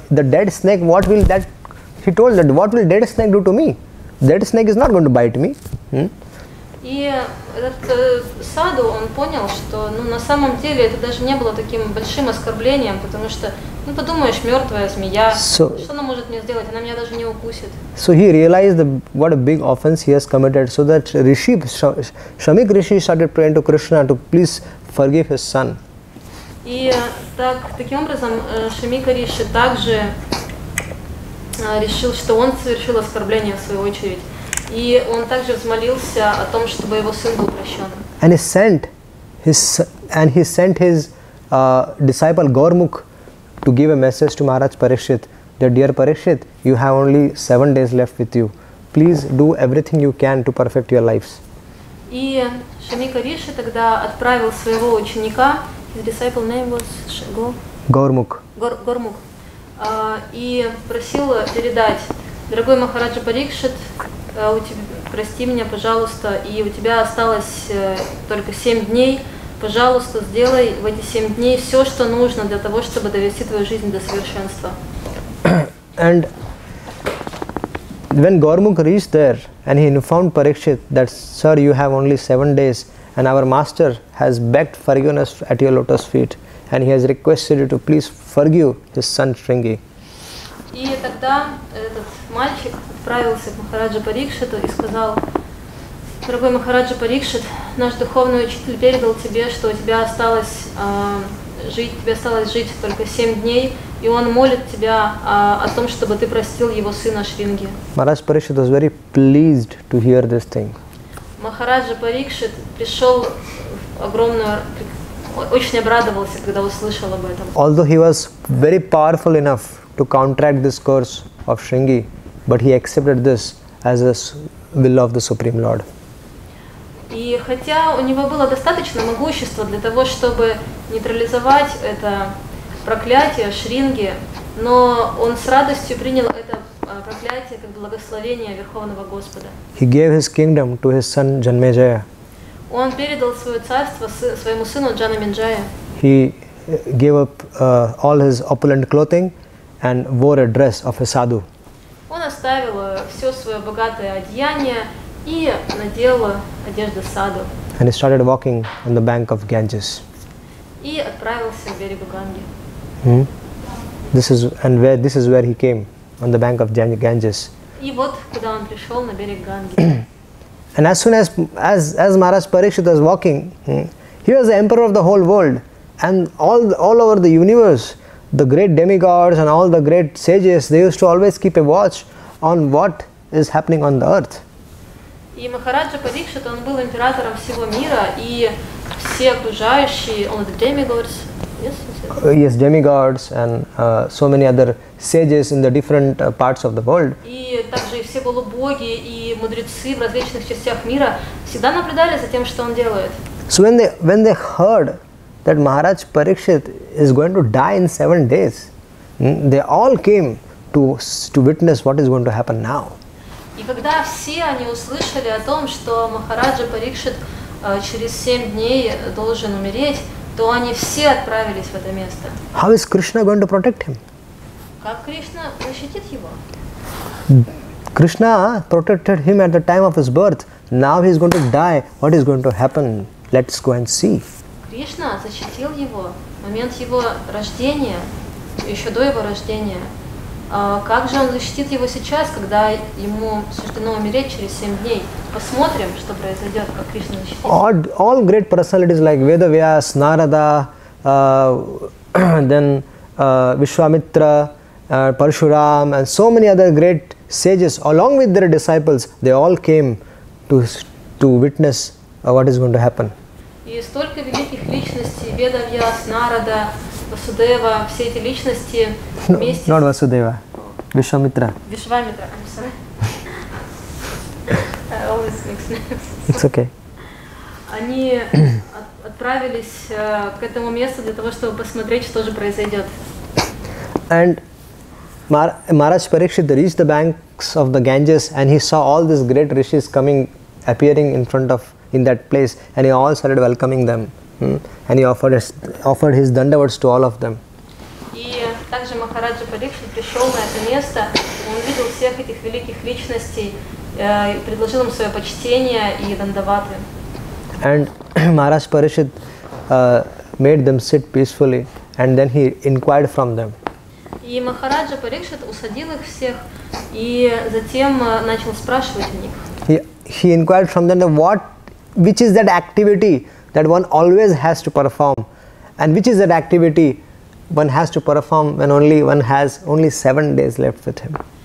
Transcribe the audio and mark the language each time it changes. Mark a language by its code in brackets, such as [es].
[en] The dead snake, what will that? He told that, what will dead snake do to me? Dead snake is not going to bite me. [ru] И этот саду, он понял, что на самом деле это даже не было таким большим оскорблением, потому что, подумаешь, мертвая змея, что она может мне сделать? Она меня даже не укусит. [en] So he realized what a big offense he has committed. So that Rishi, Shamik Rishi started praying to Krishna to please forgive his son. [ru] И таким образом Шамика Риши также решил, что он совершил оскорбление в свою очередь. И он также взмолился о том, чтобы его сын был прощен. [en] And he sent his disciple Gaurmukh to give a message to Maharaj Parikshit, that dear Parikshit, you have only 7 days left with you. Please do everything you can to perfect your lives. [ru] И Шамика Риши тогда отправил своего ученика, [en] his disciple name was Gaurmukh. Gaurmukh. [ru] И просил передать: дорогой Махараджа Парикшит, прости меня, пожалуйста, и у тебя осталось только 7 дней. Пожалуйста, сделай в эти 7 дней все, что нужно для того, чтобы довести твою жизнь до совершенства. [en] And when Gaurmukh reached there and he informed Parikshit that, sir, you have only 7 days and our master has begged forgiveness at your lotus feet and he has requested you to please forgive his son Sringi. [ru] И тогда этот мальчик отправился к Махараджа Парикшиту и сказал: дорогой Махараджа Парикшит, наш духовный учитель передал тебе, что у тебя осталось жить только 7 дней, и он молит тебя о том, чтобы ты простил его сына Шринги. [en] Махарадж Парикшит was very pleased to hear this thing. [ru] Махараджа Парикшит пришел в огромную, очень обрадовался, когда услышал об этом. [en] Although he was very powerful enough to counteract this curse of Sringi, but he accepted this as the will of the Supreme Lord. [ru] И хотя у него было достаточно могущества для того, чтобы нейтрализовать это проклятие Шринги, но он с радостью принял это проклятие как благословение Верховного Господа. [en] He gave his kingdom to his son Janmejaya. [ru] Он передал свое царство своему сыну Джанаменджая. [en] He gave up all his opulent clothing and wore a dress of a sadhu. [ru] Он оставил все свое богатое одеяние и надел одежду саду. [en] And he started walking on the bank of Ganges. [ru] И отправился к берегу Ганги. [en] This is where he came, on the bank of Ganges. [ru] И вот куда он пришел, на берег Ганги. [en] And as soon as Maharaj Parikshit was walking, he was the emperor of the whole world, and all over the universe, the great demigods and all the great sages, they used to always keep a watch on what is happening on the earth. [ru] И Махараджа Парикшит, он был императором всего мира, и все окружающие, он [en] the demigods, yes, demigods and so many other sages in the different parts of the world. [ru] И также все полубоги и мудрецы в различных частях мира всегда наблюдали за тем, что он делает. [en] So when they heard that Maharaj Parikshit is going to die in 7 days, they all came to witness what is going to happen now. [ru] И когда все они услышали о том, что Махараджа Парикшит через 7 дней должен умереть, то они все отправились в это место. [en] How is Krishna going to protect him? [ru] Как Кришна защитит его? [en] Krishna protected him at the time of his birth. Now he is going to die. What is going to happen? Let's go and see. [ru] Кришна защитил его в момент его рождения, еще до его рождения. Как же он защитит его сейчас, когда ему суждено умереть через 7 дней? Посмотрим, что произойдет, как Кришна защитит. [en] All great personalities like Veda Vyas, Narada, then Vishwamitra, Parshuram, and so many other great sages, along with their disciples, they all came to witness what is going to happen. [ru] И столько великих личностей, Веда Вьяс, Нарада, Васудева, все эти личности вместе... [en] Not Васудева, Вишвамитра. Вишвамитра, I'm sorry. I always mix names. It's okay. [ru] Они отправились к этому месту для того, чтобы посмотреть, что же произойдет. [en] And Maharaj Parikshit reached the banks of the Ganges and he saw all these great rishis coming, appearing in front of in that place, and he all started welcoming them. And he offered his dandavats to all of them. [ru] И также Махараджа Парикшит пришел на это место, он видел всех этих великих личностей, предложил им свое почтение и дандаваты. [en] And Maharaj Parikshit made them sit peacefully, and then he inquired from them. [ru] И Махараджа Парикшит усадил их всех и затем начал спрашивать у них. [en] He inquired from them which is that activity that one always has to perform, and which is that activity one has to perform when only one has only 7 days left with him.